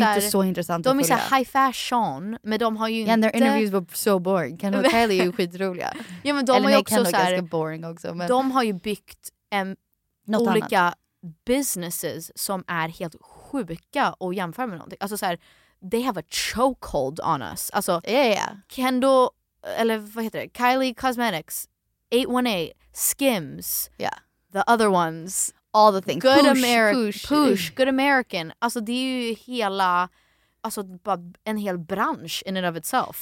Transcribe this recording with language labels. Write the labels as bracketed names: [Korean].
[Swedish] så här, inte så intressanta. De är så [English] high fashion, [Swedish] men de har ju inte... [English] Yeah, and their interviews were so boring. [Swedish] Kendall och Kylie är ju skitroliga. Ja, men de eller har ju också Kendall så här... Ganska [English] boring [Swedish] också, men... De har ju byggt olika annat. Businesses som är helt sjuka att jämföra med någonting. Alltså så här, [English] they have a chokehold on us. [Swedish] Alltså, [English] yeah. [Swedish] Kendall, eller vad heter det? [English] Kylie Cosmetics, 818, Skims, yeah. The other ones... All the things. Good push. Good American. [Swedish] Alltså det är ju hela, alltså en hel bransch [English] in and of itself.